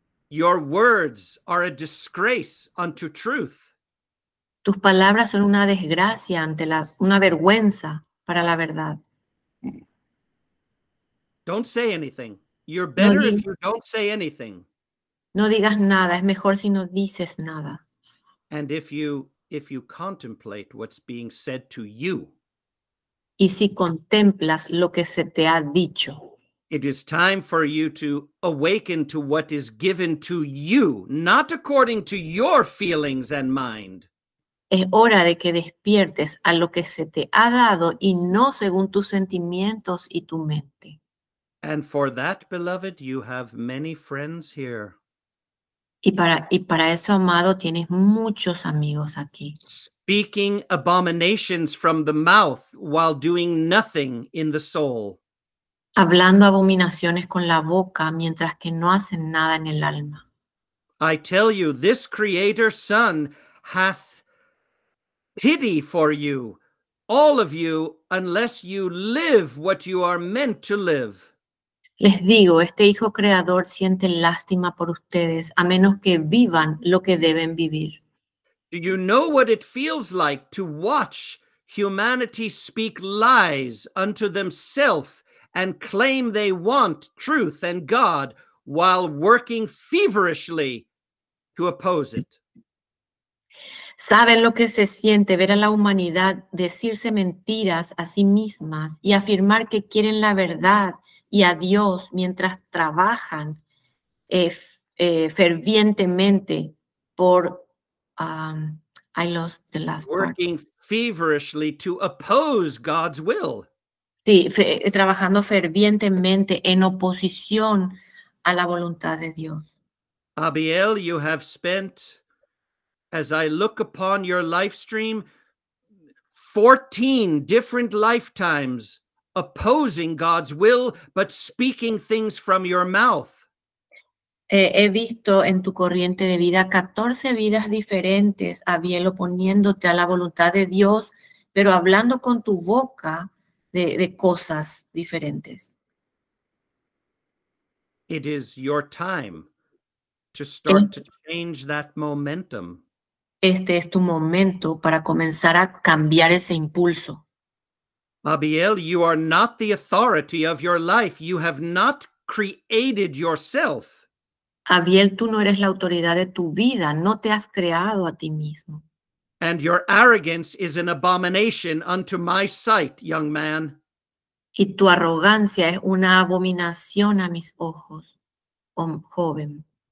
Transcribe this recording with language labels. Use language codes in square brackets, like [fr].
[en] Your words are a disgrace unto truth. [es] Tus palabras son una desgracia ante la, una vergüenza para la verdad. [en] Don't say anything. You're better if you don't say anything. [es] No digas nada. Es mejor si no dices nada. [en] And if you contemplate what's being said to you. [es] Y si contemplas lo que se te ha dicho. [en] It is time for you to awaken to what is given to you, not according to your feelings and mind. [es] Es hora de que despiertes a lo que se te ha dado y no según tus sentimientos y tu mente. [en] And for that, beloved, you have many friends here. [es] Y para eso, amado, tienes muchos amigos aquí. [en] Speaking abominations from the mouth while doing nothing in the soul. [es] Hablando abominaciones con la boca mientras que no hacen nada en el alma. [en] I tell you, this Creator Son hath pity for you, all of you, unless you live what you are meant to live. [es] Les digo, este Hijo Creador siente lástima por ustedes, a menos que vivan lo que deben vivir. [en] Do you know what it feels like to watch humanity speak lies unto themselves and claim they want truth and God while working feverishly to oppose it? [es] ¿Saben lo que se siente ver a la humanidad decirse mentiras a sí mismas y afirmar que quieren la verdad y a Dios mientras trabajan fervientemente por... [en] I lost the last working part. Feverishly to oppose God's will. [es] Sí, trabajando fervientemente en oposición a la voluntad de Dios. [en] Abiel, you have spent... As I look upon your life stream, 14 different lifetimes opposing God's will, but speaking things from your mouth. [es] He visto en tu corriente de vida 14 vidas diferentes, Abiel, oponiéndote a la voluntad de Dios, pero hablando con tu boca de cosas diferentes. [en] It is your time to start to change that momentum. [es] Este es tu momento para comenzar a cambiar ese impulso. [en] Abiel, you are not the authority of your life. You have not created yourself. [es] Abiel, tú no eres la autoridad de tu vida. No te has creado a ti mismo. [en] And your arrogance is an abomination unto my sight, young man. [es] Y tu arrogancia es una abominación a mis ojos, joven.